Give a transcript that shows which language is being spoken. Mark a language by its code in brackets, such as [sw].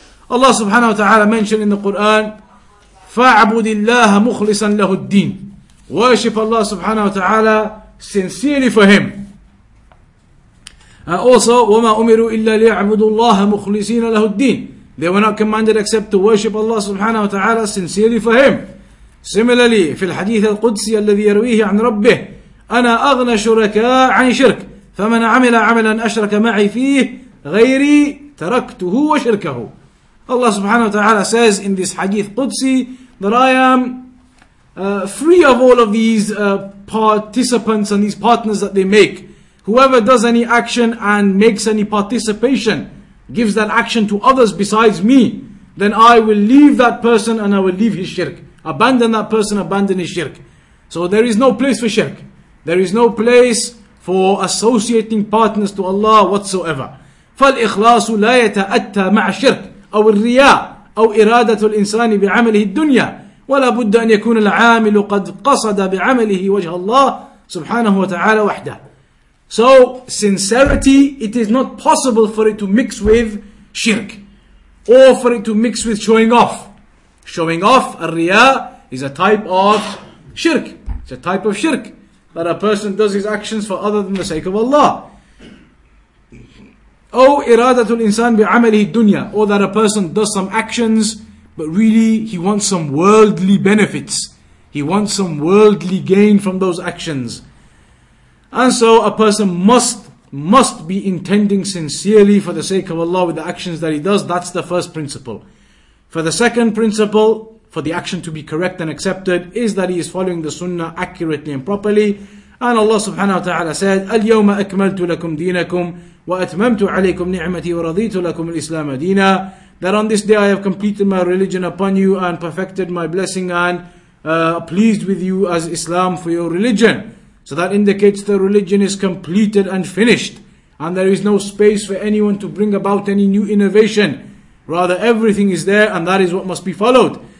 [en] Allah subhanahu wa ta'ala mentioned in the Quran, [ar] فَاعْبُدِ اللَّهَ مُخْلِصًا لَهُ الدِّينِ. [en] Worship Allah subhanahu wa ta'ala sincerely for Him. Also, [ar] وَمَا أُمِرُوا إِلَّا لِيَعْبُدُوا اللَّهَ مُخْلِصِينَ لَهُ الدِّينِ. [en] They were not commanded except to worship Allah subhanahu wa ta'ala sincerely for Him. Similarly, [ar] في الحديث القدسي الذي يرويه عن ربه, أنا أغنى شركاء عن شرك, فمن عمل عملا أشرك معي فيه غيري تركته وشركه. [en] Allah subhanahu wa ta'ala says in this hadith Qudsi that I am free of all of these participants and these partners that they make. Whoever does any action and makes any participation, gives that action to others besides me, then I will leave that person and I will leave his shirk. Abandon that person, abandon his shirk. So there is no place for shirk. There is no place for associating partners to Allah whatsoever. [ar] فَالْإِخْلَاصُ لَا يَتَأَتَّى مَعَ الشِّرْكِ أو الرياء أو إرادة الإنسان بعمله الدنيا ولا بد أن يكون العامل قد قصد بعمله وجه الله سبحانه وتعالى وحده. [en] So sincerity, it is not possible for it to mix with shirk or for it to mix with showing off. Showing off, الرياء, is a type of shirk. It's a type of shirk that a person does his actions for other than the sake of Allah. [ar] أو إرادة الإنسان بعمله الدنيا, [en] or that a person does some actions, but really he wants some worldly benefits. He wants some worldly gain from those actions. And so a person must be intending sincerely for the sake of Allah with the actions that he does. That's the first principle. For the second principle, for the action to be correct and accepted, is that he is following the sunnah accurately and properly. And Allah subhanahu wa ta'ala said, [ar] اليوم أكملت لكم دينكم وأتممت عليكم نعمتي ورضيت لكم الإسلام دينا. [en] That on this day I have completed my religion upon you and perfected my blessing and pleased with you as Islam for your religion. So that indicates the religion is completed and finished, and there is no space for anyone to bring about any new innovation. Rather, everything is there, and that is what must be followed.